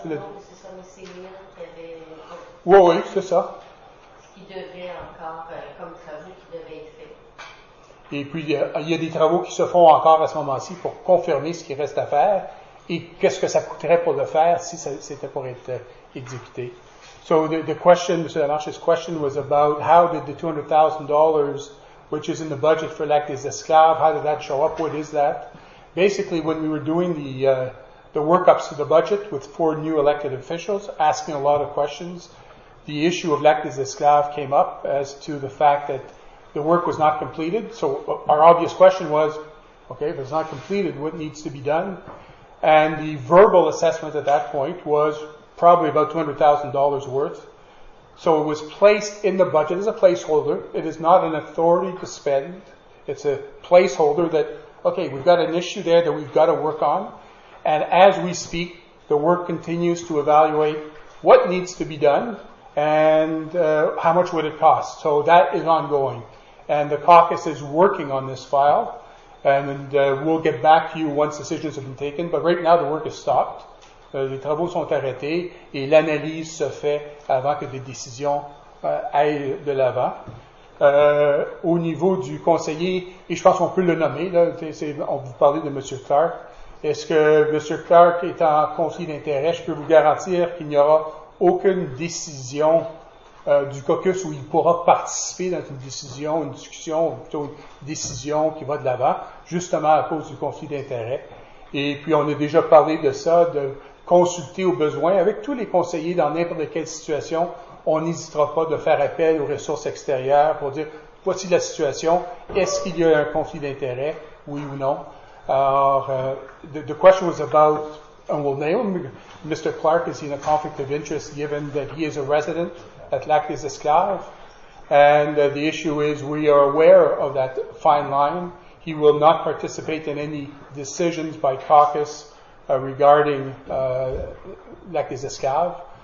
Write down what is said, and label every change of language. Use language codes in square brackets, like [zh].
[fr] Non, c'est ça, le CIR qui avait... Oui, c'est ça. Qui devait encore, comme travaux, qui devait être fait. Et puis, il y a des travaux qui se font encore à ce moment-ci pour confirmer ce qui reste à faire. Et qu'est-ce que ça coûterait pour le faire si c'était pour être exécuté? [en] So the question, Mr. Lamarche's question was about how did the $200,000, which is in the budget for Lac des Esclaves, how did that show up? What is that? Basically, when we were doing the workups of the budget with 4 new elected officials, asking a lot of questions, the issue of Lac des Esclaves came up as to the fact that the work was not completed. So our obvious question was, Okay, if it's not completed, what needs to be done? And the verbal assessment at that point was probably about $200,000 worth. So it was placed in the budget as a placeholder. It is not an authority to spend. It's a placeholder that, okay, we've got an issue there that we've got to work on. And as we speak, the work continues to evaluate what needs to be done and how much would it cost. So that is ongoing. And the caucus is working on this file. And we'll get back to you once decisions have been taken. But right now, the work is stopped. [fr] Les travaux sont arrêtés et l'analyse se fait avant que des décisions aillent de l'avant. Au niveau du conseiller, et je pense qu'on peut le nommer, là, on vous parlait de M. Clark. Est-ce que M. Clark est en conflit d'intérêt? Je peux vous garantir qu'il n'y aura aucune décision du caucus où il pourra participer dans une décision, une discussion, ou plutôt une décision qui va de l'avant, justement à cause du conflit d'intérêt. Et puis on a déjà parlé de ça, de consulter au besoin avec tous les conseillers dans n'importe quelle situation. On n'hésitera pas de faire appel aux ressources extérieures pour dire voici la situation, est-ce qu'il y a un conflit d'intérêt, oui ou non. [en] Alors, the question was about, and we'll name him, Mr. Clark, is he in a conflict of interest given that he is a resident at Lac des Esclaves? And the issue is we are aware of that fine line. He will not participate in any decisions by caucus regarding Lac des Esclaves.